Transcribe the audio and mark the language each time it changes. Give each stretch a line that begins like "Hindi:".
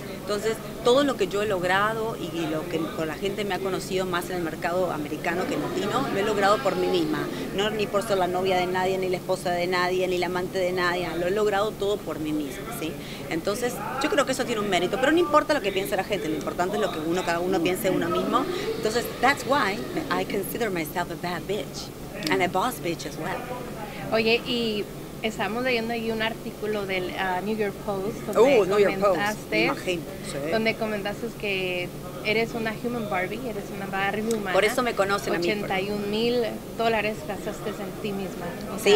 Spanish: Entonces todo lo que yo he logrado y lo que con la gente me ha conocido más en el mercado americano que latino, lo he logrado por mí misma. No ni por ser la novia de nadie, ni la esposa de nadie, ni la amante de nadie. Lo he logrado todo por mí misma, ¿sí? Entonces yo creo que eso tiene un mérito, pero no importa lo que piense la gente, lo importante es lo que uno, cada uno piense de uno mismo. Entonces,
English: that's why I consider myself a bad bitch and a boss bitch as well.
Spanish: Oye, y estamos leyendo ahí un artículo del New York Post Oh, New York Post, me imagino, sí. donde comentaste que eres una
English: human Barbie,
Spanish: eres una Barbie Por humana. eso me conocen a mí. $81,000 gastaste en ti misma. O sea,